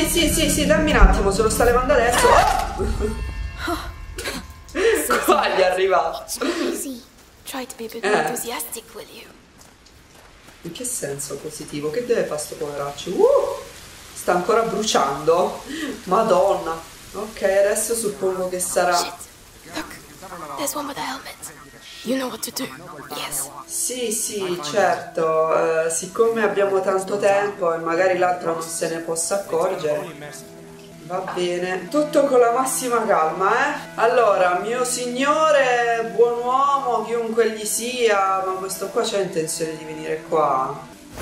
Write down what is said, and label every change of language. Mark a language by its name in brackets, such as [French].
[Italian] Sì, dammi un attimo, se lo sta levando adesso. Qua gli è arrivato. [English] Try to be a bit more enthusiastic, will you? [Italian] In che senso positivo? Che deve fare sto poveraccio? Sta ancora bruciando? Madonna. Ok, adesso suppongo che sarà. [English] Look, there's one with a helmet. You know what to do. Yes. [Italian] Sì, sì, certo. Siccome abbiamo tanto tempo e magari l'altro non se ne possa accorgere. Va bene, tutto con la massima calma, eh? Allora, mio signore, buon uomo, chiunque gli sia, ma questo qua c'ha intenzione di venire qua.